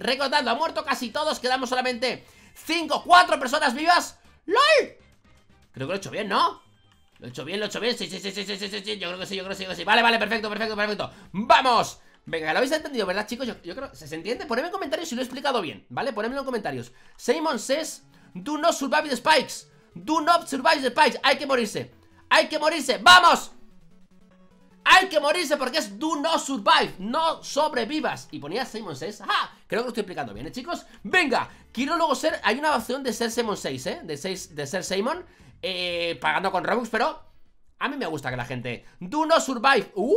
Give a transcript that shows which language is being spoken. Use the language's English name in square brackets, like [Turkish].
[Spanish] Recordando, ha muerto casi todos. Quedamos solamente 5, 4 personas vivas. ¡LOL! Creo que lo he hecho bien, ¿no? Lo he hecho bien. Sí. Yo creo que sí. Vale, perfecto. ¡Vamos! Venga, lo habéis entendido, ¿verdad, chicos? Yo creo... ¿Se entiende? Ponedme en comentarios si lo he explicado bien, ¿vale? Ponedmelo en comentarios. [English] Simon Says, do not survive the spikes. Do not survive the spikes. [Spanish] Hay que morirse. Hay que morirse. ¡Vamos! Hay que morirse porque es [English] do not survive. [Spanish] No sobrevivas. Y ponía Simon Says. ¡Ah! Creo que lo estoy explicando bien, ¿eh, chicos? Venga, quiero luego ser... Hay una opción de ser Simon 6, ¿eh? De ser Simon, pagando con Robux, pero a mí me gusta que la gente... [English] Do not survive.